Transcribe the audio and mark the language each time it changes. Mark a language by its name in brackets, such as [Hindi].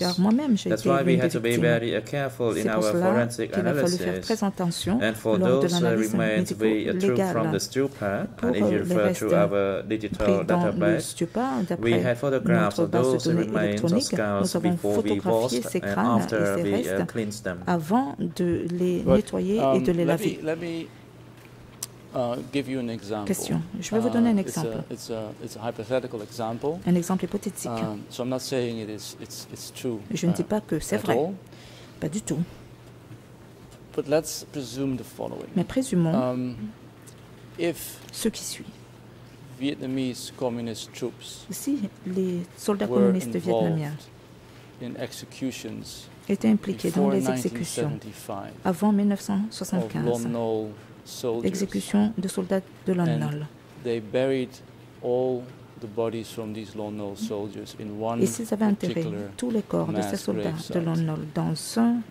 [English] That's why we had to be very careful in our forensic analysis. And for those remains we took from the stupa, and if you refer to our digital database, we had photographs of those remains or scars before we washed and after we cleansed them. [French] Avant de les nettoyer et de les laver. [English] Give you an example. [French] Question. Je vais vous donner un exemple. [English] It's a hypothetical example. [French] Un exemple hypothétique. [English] So I'm not saying it's true. [French] Je ne dis pas que c'est vrai. Pas du tout. [English] But let's presume the following. [French] Mais présumons [English] if [French] ce qui suit. [English] Vietnamese communist troops [French] si les soldats communistes vietnamiens [English] in executions [French] étaient impliqués dans les exécutions avant 1975. Exécution de soldats de Lon-Nol. [English] They buried all the bodies from these Lon-Nol soldiers in one [French] Et s'ils avaient enterré tous les corps de ces soldats de Lon-Nol dans un